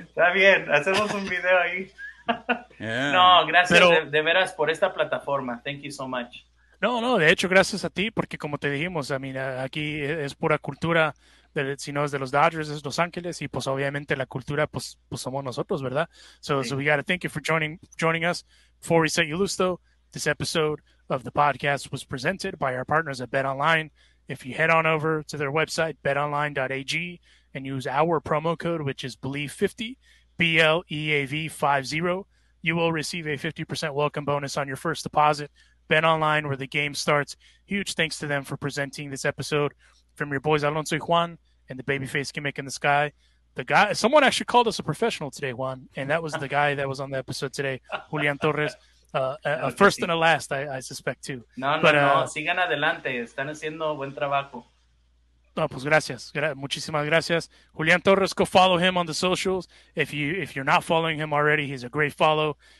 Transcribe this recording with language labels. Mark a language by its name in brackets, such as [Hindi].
[Spanish] Está bien, hacemos un video ahí. No, gracias, pero, de veras, por esta plataforma. [English] Thank you so much. [Spanish] No, no, de hecho, gracias a ti, porque como te dijimos, [English] I mean, [Spanish] aquí es pura cultura. Si no es de los Dodgers, es Los Ángeles, y pues obviamente la cultura, pues somos nosotros, ¿verdad? [English] So, sí. So we gotta thank you for joining us. Before we set you loose, though, this episode of the podcast was presented by our partners at BetOnline. If you head on over to their website, betonline.ag, and use our promo code, which is BLEAV50, BLEAV50, you will receive a 50% welcome bonus on your first deposit. BetOnline, where the game starts. Huge thanks to them for presenting this episode. From your boys Alonso y Juan and the babyface gimmick in the sky, the guy, someone actually called us a professional today, Juan, and that was the guy that was on the episode today, Julian Torres, a first and a last, I suspect, too. [Spanish] No, sigan adelante, están haciendo buen trabajo. No, pues gracias, muchísimas gracias. [English] Julian Torres, go follow him on the socials. If you're not following him already, he's a great follow.